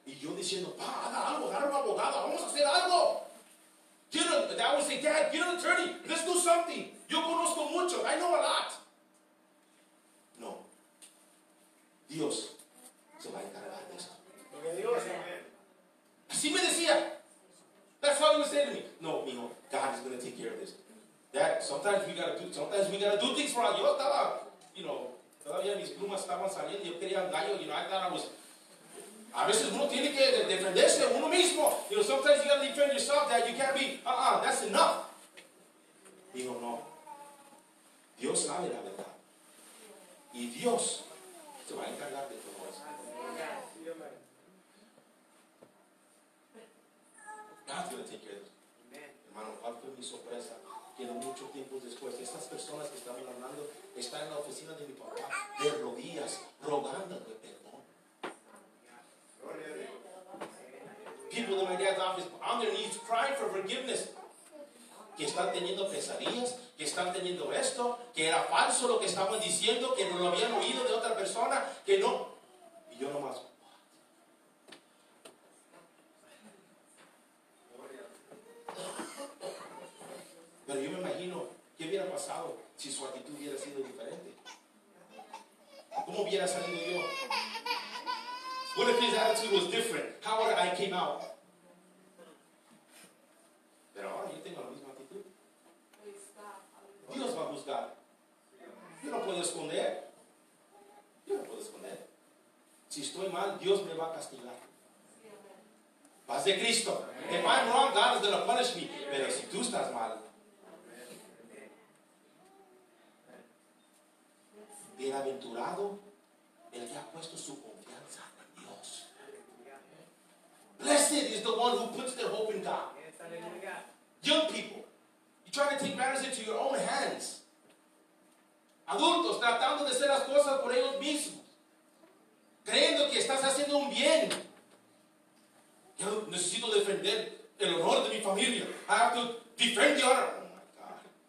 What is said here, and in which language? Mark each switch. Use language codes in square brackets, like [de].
[es] Y yo diciendo, pa, haga algo, agarra un abogado, vamos a hacer algo. [en] That would say, Dad, get an attorney, let's do something. [es] Yo conozco mucho, [en] I know a lot. No. [es] Dios se va a encargar de eso. Porque Dios, así me decía. [en] That's how he would say to me. No, mijo, God is going to take care of this. Dad, sometimes we gotta do things for us. [es] Yo estaba, todavía mis plumas estaban saliendo, yo quería un gallo, [en] I thought I was, [es] a veces uno tiene que defenderse uno mismo, [en] sometimes you gotta defend yourself, Dad, you can't be, that's enough. [es] Dijo, no, Dios sabe la verdad, y Dios se va a encargar de todo eso. [en] God's gonna take care of it. [es] Hermano, ¿cuál fue mi sorpresa? Que no mucho tiempo después, estas personas que estaban hablando están en la oficina de mi papá, de rodillas, rogándole perdón. [en] People in my dad's office, on their knees, crying for forgiveness. [es] Que están teniendo pesadillas, que están teniendo esto, que era falso lo que estaban diciendo, que no lo habían oído de otra persona, que no. Y yo nomás. Pero yo me imagino, ¿qué hubiera pasado si su actitud hubiera sido diferente? ¿Cómo hubiera salido yo? [en] What if his attitude was different? How would I came out? [es] Pero ahora yo tengo la misma actitud. Dios va a juzgar. Yo no puedo esconder. Si estoy mal, Dios me va a castigar. Vas de Cristo. [en] If I'm wrong, God is going to punish me. [es] Pero si tú estás mal, bienaventurado el que ha puesto su confianza en Dios. [en] Blessed is the one who puts their hope in God. Young people, you try to take matters into your own hands. [es] Adultos, tratando de hacer las cosas por ellos mismos, creyendo que estás haciendo un bien. Yo necesito defender el honor de mi familia. [en] I have to defend your honor. Oh my God.